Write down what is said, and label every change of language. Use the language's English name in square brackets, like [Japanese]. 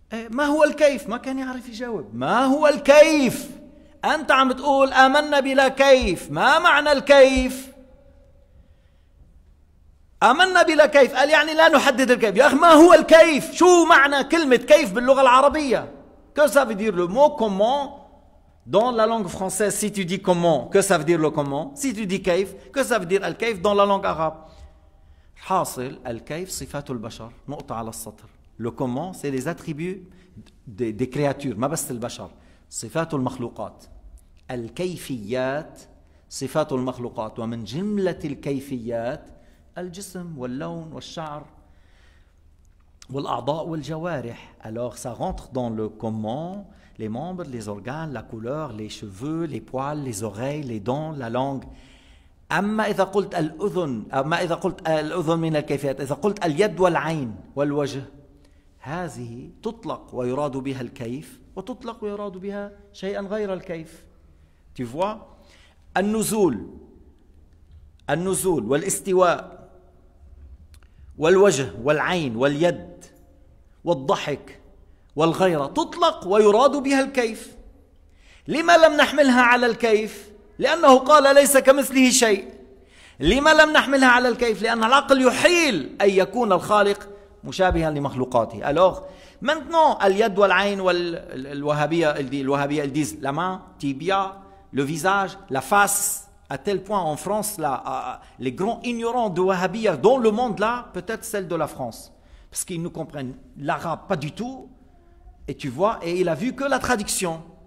[Arabic] ما هو الكيف؟ ما كان يعرف يجاوب. ما هو الكيف؟ أنت عم تقول آمنا بلا كيف، ما معنى الكيف؟ آمنا بلا كيف. قال يعني لا نحدد الكيف. يا أخ ما هو الكيف؟ شو معنى كلمة كيف باللغة العربية؟ [French] Que ça veut dire le mot comment dans la langue française? Si tu dis comment, que ça veut dire le comment? Si tu dis كيف, que ça veut dire الكيف dans la langue arabe? [Arabic] حاصل الكيف صفات البشر نقطة على السطر. [French] Le comment c'est les attributs des créatures, [Arabic] ما بس البشر, صفات المخلوقات. الكيفيات صفات المخلوقات, ومن جملة الكيفيات الجسم واللون والشعر والأعضاء والجوارح. [French] Alors ça rentre dans le comment, les membres, les organes, la couleur, les cheveux, les poils, les oreilles, les dents, la langue. [Arabic] أما إذا قلت الأذن, أما إذا قلت الأذن من الكيفيات, إذا قلت اليد والعين والوجه, هذه تطلق ويراد بها الكيف وتطلق ويراد بها شيئا غير الكيف. [French] Tu vois, [Arabic] النزول, النزول والاستواء والوجه والعين واليد والضحك والغيرة تطلق ويراد بها الكيف. لما لم نحملها على الكيف؟ لأنه قال ليس كمثله شيء. لما لم نحملها على الكيف؟ لأن العقل يحيل أن يكون الخالق مشابها لمخلوقاته. [French] Alors maintenant [Arabic] اليد والعين والوهابية, الوهابية الديز لما تيبيا [French] le visage, la face, à tel point en France, là, les grands ignorants de Wahhabiyya dans le monde, là, peut-être celle de la France, parce qu'ils ne comprennent l'arabe pas du tout, et tu vois, et il a vu que la traduction.